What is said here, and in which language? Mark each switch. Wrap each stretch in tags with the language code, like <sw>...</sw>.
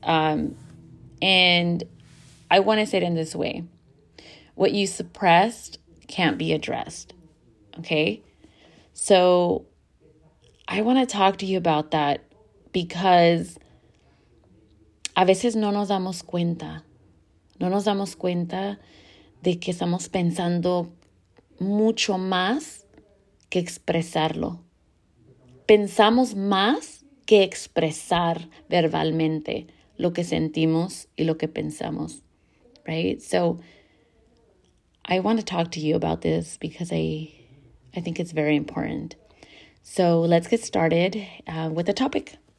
<en>And I want to say it in this way. What you suppressed can't be addressed, okay? So I want to talk to you about that because</en> <es>a veces no nos damos cuenta. No nos damos cuenta de que estamos pensando mucho más que expresarlo. Pensamos más que expresar verbalmente lo que sentimos y lo que pensamos.</es> <en>Right? So, I want to talk to you about this because I I think it's very important. So let's get started with the topic.</en>